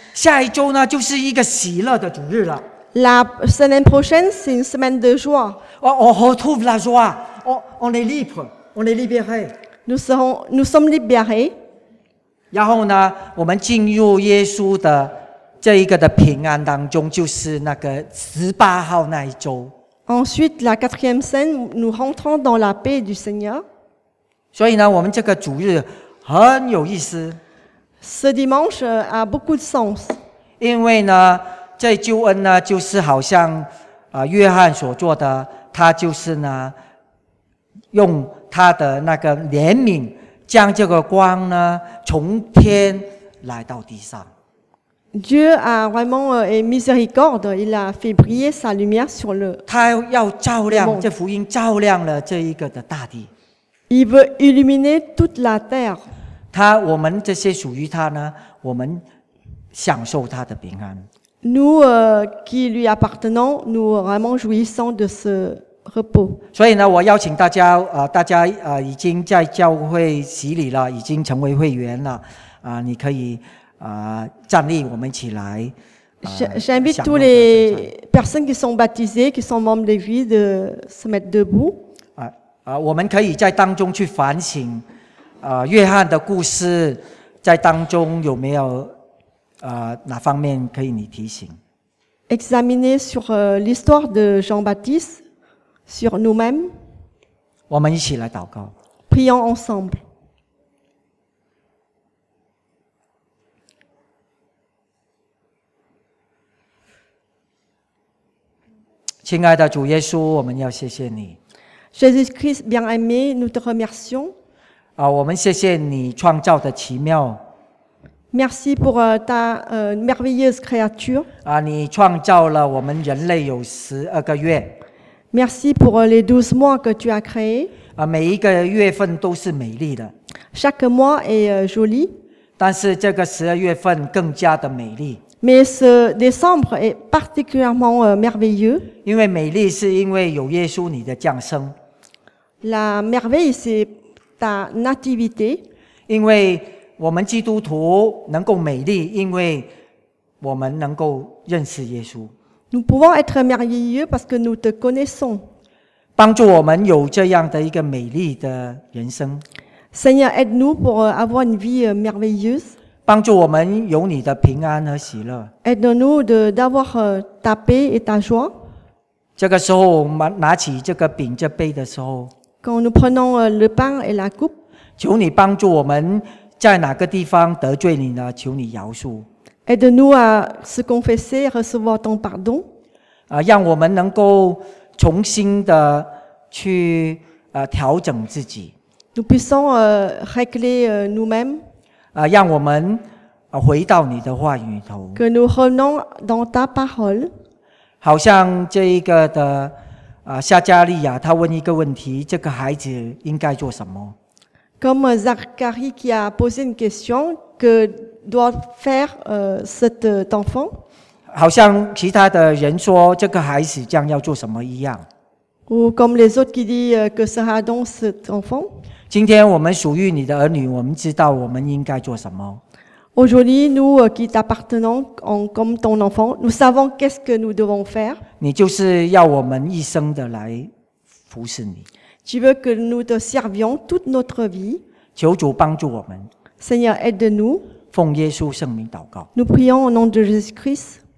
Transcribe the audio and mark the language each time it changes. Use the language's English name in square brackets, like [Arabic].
[Chinese] 下一周呢，就是一个喜乐的主日了。 [French] La semaine prochaine, c'est une semaine de joie. On retrouve la joie. On est libre. On est libéré. Nous sommes libérés. [Chinese] 然后呢，我们进入耶稣的这一个的平安当中，就是那个十八号那一周。 [French] Ensuite, la quatrième scène, nous rentrons dans la paix du Seigneur. [Chinese] 所以呢，我们这个主日很有意思。 [French] Ce dimanche a beaucoup de sens. [Chinese] 因为呢，这救恩呢，就是好像啊，约翰所做的，他就是呢，用他的那个怜悯，将这个光呢，从天来到地上。 [French] Dieu a vraiment une miséricorde. Il a fait briller sa lumière sur le monde. [Chinese] 他要照亮这福音，照亮了这一个的大地。 [French] Il veut illuminer toute la terre. [Chinese] 他我们这些属于他呢，我们享受他的平安。 [French] Nous qui lui appartenons, nous vraiment jouissons de ce repos. [Chinese] 所以呢，我邀请大家大家已经在教会洗礼了，已经成为会员了你可以。站立，我们起来。 [French] J'invite tous les personnes qui sont baptisées, qui sont membres de l'Église, de se mettre debout. [Chinese] 我们可以在当中去反省，约翰的故事在当中有没有哪方面可以你提醒 [French] ？Examiner sur l'histoire de Jean-Baptiste, sur nous-mêmes. [Chinese] 我们一起来祷告。 [French] Prions ensemble. [Chinese] 亲爱的主耶稣，我们要谢谢你。 [French] Jésus Christ, bien-aimé, nous te remercions. [Chinese] 我们谢谢你创造的奇妙。 [French] Merci pour ta merveilleuse créature. [Chinese] 你创造了我们人类有十二个月。 [French] Merci pour les 12 mois que tu as créés. [Chinese] 每一个月份都是美丽的。 [French] Chaque mois est joli. [Chinese] 但是这个十二月份更加的美丽。 [French] Mais ce décembre est particulièrement merveilleux. [Chinese] 因为美丽是因为有耶稣你的降生。 [French] La merveille, c'est ta nativité. [Chinese] 因为我们基督徒能够美丽，因为我们能够认识耶稣。 [French] Nous pouvons être merveilleux parce que nous te connaissons. [Chinese] 帮助我们有这样的一个美丽的人生。 [French] Seigneur, aide-nous pour avoir une vie merveilleuse. [Chinese] 帮助我们有你的平安和喜乐。 [French] Aide-nous d'avoir ta paix et ta joie. [Chinese] 这个时候，拿起这个饼、这杯的时候。 [French] Quand nous prenons le pain et la coupe. [Chinese] 求你帮助我们在哪个地方得罪你呢？求你饶恕。 [French] Aide-nous à se confesser et recevoir ton pardon. [Chinese] 让我们能够重新的去调整自己。 [French] Nous puissions régler nous-mêmes. [Chinese] 让我们回到你的话语头。 [French] Que nous revenons dans ta parole. [Chinese] 好像这一个的撒迦利亚，他问一个问题：这个孩子应该做什么？ [French] Comme Zacharie qui a posé une question, que doit faire cet enfant? [Chinese] 好像其他的人说这个孩子将要做什么一样。 [French] Ou comme les autres qui disent que sera donc cet enfant? [Chinese] 今天我们属于你的儿女，我们知道我们应该做什么。 [French] Aujourd'hui, nous qui t'appartenons comme ton enfant, nous savons qu'est-ce que nous devons faire. [Chinese] 你就是要我们一生的来服侍你。 [French] Tu veux que nous te servions toute notre vie. [Chinese] 求主帮助我们。 [French] Seigneur, aide-nous. [Chinese] 奉耶稣圣名祷告。 [French] Nous prions au nom de Jésus-Christ.